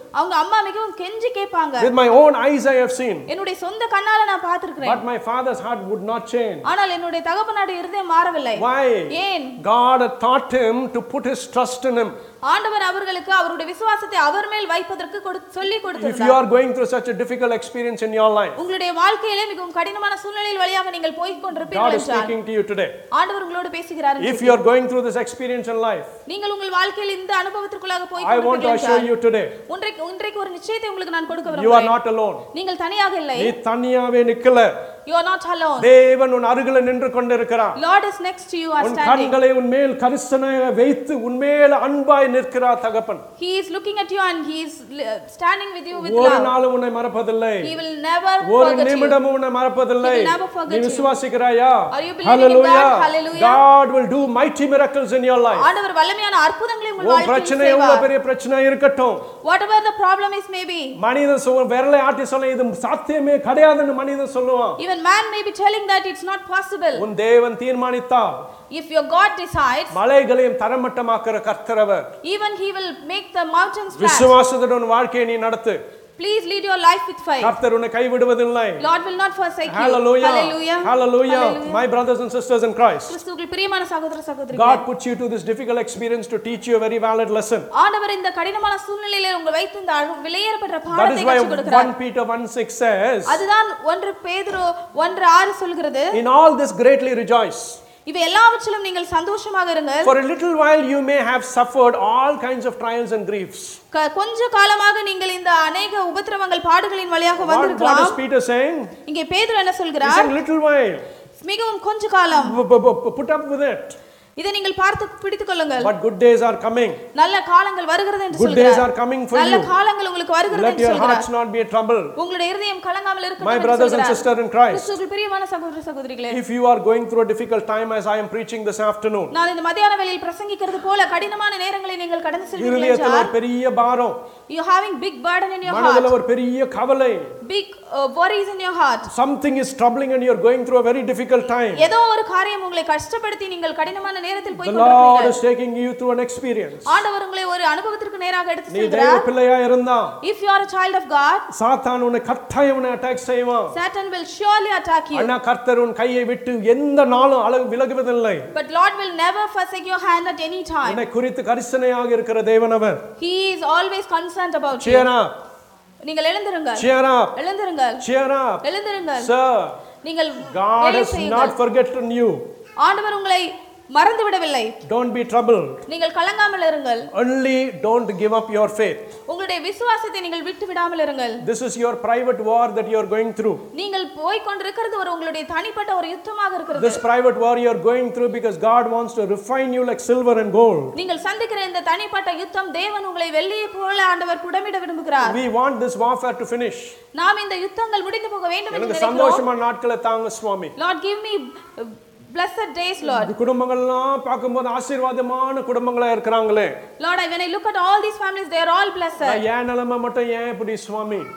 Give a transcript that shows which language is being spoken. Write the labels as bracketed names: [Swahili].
[Tamil] அவங்க அம்மா மிகவும் கெஞ்சி கேட்பாங்க. [English] With my own eyes I have seen. [Tamil] என்னுடைய சொந்த கண்ணால நான் பார்த்த [English] But my father's heart would not change. [Tamil] ஆனால் என்னுடைய தகப்பனுடைய இருதயம் மாறவில்லை. [English] Why? [Tamil] ஏன்? [English] God had taught him to put his trust in him. [Tamil] ஆண்டவர் அவர்களுக்கு அவருடைய விசுவாசத்தை அவர் மேல் வைப்பதற்கு சொல்லி கொடுத்தார். [English] If you are going through such a difficult experience in your life. [Tamil] உங்களுடைய வாழ்க்கையிலே மிகவும் கடினமான சூழ்நிலையில் வழியாக நீங்கள் போய் கொண்டிருப்பீர்கள் என்றால். [English] God is speaking to you today. [Tamil] ஆண்டவர் உங்களோடு பேசுகிறார் என்று. [English] If you are going through this experience in life. [Tamil] நீங்கள் உங்கள் வாழ்க்கையில் இந்த அனுபவத்துக்குள்ளாக போய் கொண்டிருக்கிறீர்கள் என்றால். [English] I want to assure you today. [Tamil] இன்றைக்கு ஒரு நிச்சயத்தை உங்களுக்கு நான் கொடுக்க விரும்புகிறேன். [English] You are not alone. [Tamil] நீங்கள் தனியாக இல்லை. நீ தனியாவே நிக்கல. [English] You are not alone. [Tamil] தேவன் உன் அருகில் நின்று கொண்டிருக்கிறார். [English] Lord is next to you are standing. [Tamil] உன் கண்களை உன் மேல் கரிசனாய் வைத்து உன் மேல் அன்பாய் நிற்கிறார் தகப்பன். [English] He is looking at you and he is standing with you with [Tamil] ஒரு [English] love. [Tamil] ஒரு நாளும் உன்னை மறப்பதில்லை. [English] He will never forget [Tamil] ஒரு நிமிடமும் உன்னை மறப்பதில்லை. [English] He will never forget [Tamil] நீ விசுவாசிக்கிறாயா? [English] Are you believing Hallelujah. God? Hallelujah. God will do mighty miracles in your life. [Tamil] ஆண்டவர் வல்லமையான அற்புதங்களை உங்கள் வாழ்க்கையில் செய்வார். உன் பிரச்சனை பெரிய பிரச்சனை இருக்கட்டும். [English] Whatever the problem is may be. [Tamil] மனிதன் சொல்ல விரலை ஆட்டி சொல்ல இது சாத்தியமே கிடையாதுன்னு மனிதன் சொல்லுவான். [English] Even man may be telling that it's not possible. [Tamil] உன் தேவன் தீர்மானித்தால் [English] If your God decides [Tamil] மலைகளையும் தரமட்டமாக்குற கர்த்தரவர் [English] Even he will make the mountains flat. [Tamil] விசுவாசத்துடன் வாழ்க்கையை நீ நடத்து. [English] Please lead your life with faith. [Tamil] கர்த்தர் உன்னை கைவிடுவதில்லை. [English] Lord will not forsake you. Hallelujah. Hallelujah. Hallelujah. My brothers and sisters in Christ. [Tamil] கிறிஸ்துவின் பிரியமான சகோதர சகோதரிகளே. [English] God puts you to this difficult experience to teach you a very valid lesson. [Tamil] ஆண்டவர் இந்த கடினமான சூழ்நிலையிலே உங்களை வைத்து இந்த விலையேறப்பட்ட பாடத்தை கற்றுக் கொடுக்கிறார். [English] That is why 1 Peter 1:6 says. [Tamil] அதுதான் 1 பேதுரு 1:6 சொல்கிறது. [English] In all this greatly rejoice. [Tamil] இவை எல்லாவற்றிலும் நீங்கள் சந்தோஷமாக இருங்கள். [English] For a little while you may have suffered all kinds of trials and griefs. [Tamil] கொஞ்ச காலமாக நீங்கள் இந்த அநேக உபத்திரவங்கள் பாடுகளின் வழியாக வந்திருக்கலாம். [English] What is Peter saying? [Tamil] இங்கே பேதுரு என்ன சொல்கிறார்? [English] He said, little while. [Tamil] மிகவும் கொஞ்ச காலம் [English] put up with it [Tamil] இதை நீங்கள் பார்த்து பிடித்துக் கொள்ளுங்கள் [English] but good days are coming [Tamil] நல்ல காலங்கள் வருகிறது என்று சொல்கிறார் [English] good days are coming for you [Tamil] நல்ல காலங்கள் உங்களுக்கு வருகிறது என்று சொல்கிறார் [English] let your hearts not be a trouble [Tamil] உங்களுடைய இதயம் கலங்காமல் இருக்க [English] my brothers and sister in christ [Tamil] கிறிஸ்துவின் பிரியமான சகோதர சகோதரிகளே [English] if you are going through a difficult time as I am preaching this afternoon [Tamil] நான் இந்த மதியான வேளையில் பிரசங்கிக்கிறது போல கடினமான நேரங்களை நீங்கள் கடந்து செல்கிறீர்கள் இதயத்தில் ஒரு பெரிய பாரம் [English] you having big burden in your heart [Tamil] மனதில் ஒரு பெரிய கவலை [English] big worries in your heart something is troubling and you are going through a very difficult time [Tamil] ஏதோ ஒரு காரியம் உங்களை கஷ்டப்படுத்தி நீங்கள் கடினமான நேரத்தில் போய் கொண்டிருக்கிறீர்கள் [English] the Lord is taking you through an experience [Tamil] ஆண்டவர் உங்களை ஒரு அனுபவத்திற்கு நேராக எடுத்து செல்கிறார் நீ தேவ பிள்ளையா இருந்தா [English] if you are a child of god [Tamil] சாத்தான் உன்னை கட்டாயம் அட்டாக் செய்வான் [English] satan will surely attack you [Tamil] ஆனா கர்த்தர் உன் கையை விட்டு எந்த நாளும் விலகுவதில்லை [English] but lord will never forsake your hand at any time [Tamil] உன்னை குறித்து கரிசனையாக இருக்கிற தேவன் அவர் [English] he is always concerned about you [Tamil] சீனா நீங்கள் எழுந்திருங்கள் [English] cheer up [Tamil] எழுந்திருங்கள் [English] cheer up [Tamil] எழுந்திருங்கள் [English] sir [Tamil] நீங்கள் [English] god has not forgotten you [Tamil] ஆண்டவர் உங்களை மறந்து விடவில்லை [English] don't be troubled [Tamil] நீங்கள் கலங்காமல் இருங்கள் [English] only don't give up your faith [Tamil] உங்களுடைய விசுவாசத்தை நீங்கள் விட்டு விடாமல் இருங்கள் [English] this is your private war that you are going through [Tamil] நீங்கள் போய் கொண்டிருக்கிறது ஒரு உங்களுடைய தனிப்பட்ட ஒரு யுத்தமாக இருக்கிறது [English] this private war you are going through because god wants to refine you like silver and gold [Tamil] நீங்கள் சந்திக்கிற இந்த தனிப்பட்ட யுத்தம் தேவன் உங்களை வெள்ளியை போல ஆண்டவர் குடமிட விரும்புகிறார் [English] we want this warfare to finish [Tamil] நாம் இந்த யுத்தங்கள் முடிந்து போக வேண்டும் என்று நினைக்கிறோம் சந்தோஷமா நாட்களை தாங்க சுவாமி [English] lord give me blessed days lord [Tamil] குடும்பங்கள் எல்லாம் பாக்கும்போது ஆசீர்வாதமான குடும்பங்களா இருக்கறாங்களே [English] lord when I look at all these families they are all blessed [Tamil] ஏன் என்னலமா மட்டும் ஏன் இப்படி சுவாமி